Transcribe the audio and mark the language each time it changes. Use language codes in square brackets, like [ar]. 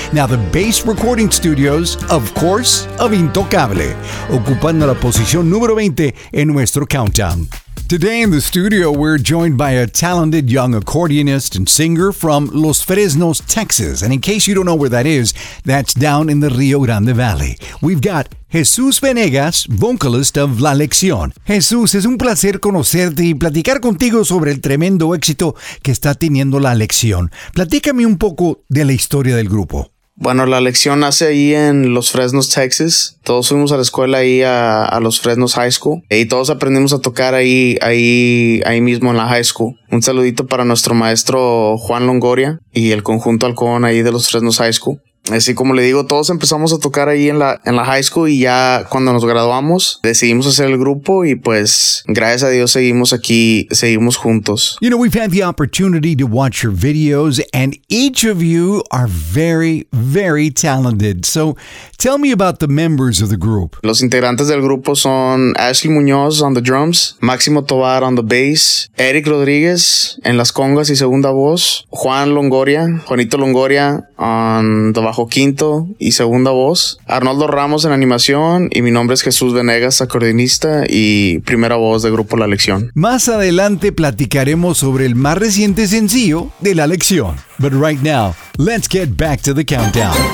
[en] Now, the bass recording studios, of course, of Intocable, [es] ocupando la posición número 20 en nuestro [en] countdown. Today in the studio, we're joined by a talented young accordionist and singer from Los Fresnos, Texas. And in case you don't know where that is, that's down in the Rio Grande Valley. We've got Jesús Venegas, vocalist of La Lección. [es] Jesús, es un placer conocerte y platicar contigo sobre el tremendo éxito que está teniendo La Lección. Platícame un poco de la historia del grupo. Bueno, La Lección nace ahí en Los Fresnos, Texas. Todos fuimos a la escuela ahí a Los Fresnos High School y todos aprendimos a tocar ahí mismo en la High School. Un saludito para nuestro maestro Juan Longoria y el conjunto Halcón ahí de Los Fresnos High School. Así como le digo, todos empezamos a tocar ahí en la high school y ya cuando nos graduamos decidimos hacer el grupo y pues gracias a Dios seguimos aquí, seguimos juntos. [en] You know, we've had the opportunity to watch your videos and each of you are very, very talented. So tell me about the members of the group. [es] Los integrantes del grupo son Ashley Muñoz [en] on the drums, [es] Máximo Tovar [en] on the bass, [es] Eric Rodríguez en las congas y segunda voz, Juanito Longoria [en] on the [es] bajo quinto y segunda voz, Arnoldo Ramos en animación y mi nombre es Jesús Venegas, acordeonista y primera voz de grupo La Lección. Más adelante platicaremos sobre el más reciente sencillo de La Lección. [en] But right now, let's get back to the countdown.